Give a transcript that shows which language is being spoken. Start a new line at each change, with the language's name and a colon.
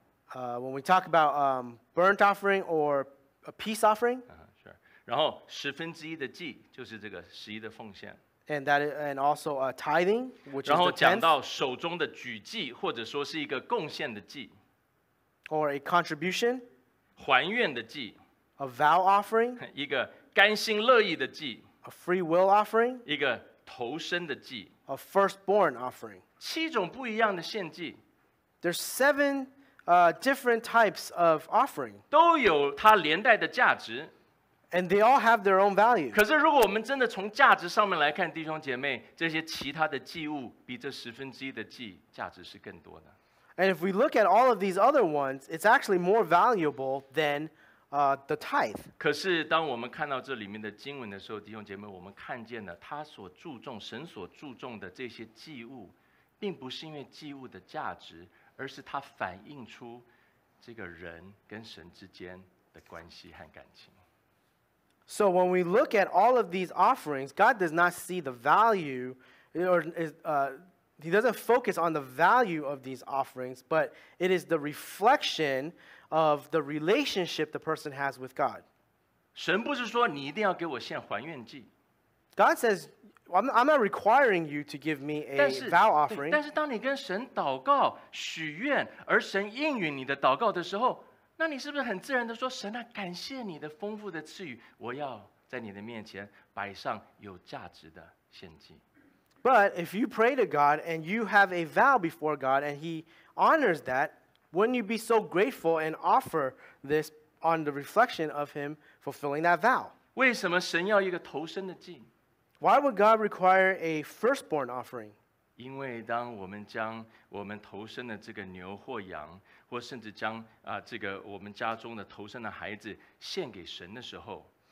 English: When we talk about burnt offering or a peace offering,
Chinese: 然后十分之一的祭就是这个十一的奉献。
English: And that, and also a tithing, which is the
Chinese: 然后讲到手中的举祭，或者说是一个贡献的祭
English: ，or a contribution,
Chinese: 还愿的祭
English: ，a vow offering,
Chinese: 一个甘心乐意的祭
English: ，a free will offering,
Chinese: 一个投身的祭
English: ，a firstborn offering.
Chinese: 七种不一样的献祭
English: ，there's seven different types of offering.
Chinese: 都有它连带的价值。
English: And they all have their own value.
Chinese: 可是如果我们真的从价值上面来看，弟兄姐妹，这些其他的祭物比这十分之一的祭价值是更多的。
English: And if we look at all of these other ones, it's actually more valuable than the tithe.
Chinese: 可是当我们看到这里面的经文的时候，弟兄姐妹，我们看见了他所注重、神所注重的这些祭物，并不是因为祭物的价值，而是它反映出这个人跟神之间的关系和感情。
English: So when we look at all of these offerings, God does not see the value, or He doesn't focus on the value of these offerings, but it is the reflection of the relationship the person has with God.
Chinese: 神不是说你一定要给我献还愿祭。
English: God says, I'm not requiring you to give me a vow offering.
Chinese: 但是当你跟神祷告许愿，而神应允你的祷告的时候。那你是不是很自然地说，神啊，感谢你的丰富的赐予，我要在你的面前摆上有价值的献祭。
English: But if you pray to God and you have a vow before God and He honors that, wouldn't you be so grateful and offer this on the reflection of Him fulfilling that vow?
Chinese: 为什么神要一个投身的祭？
English: Why would God require a firstborn offering?
Chinese: 因为当我们将我们投身的这个牛或羊或甚至将这个我们家中的投生的孩子献给神的时候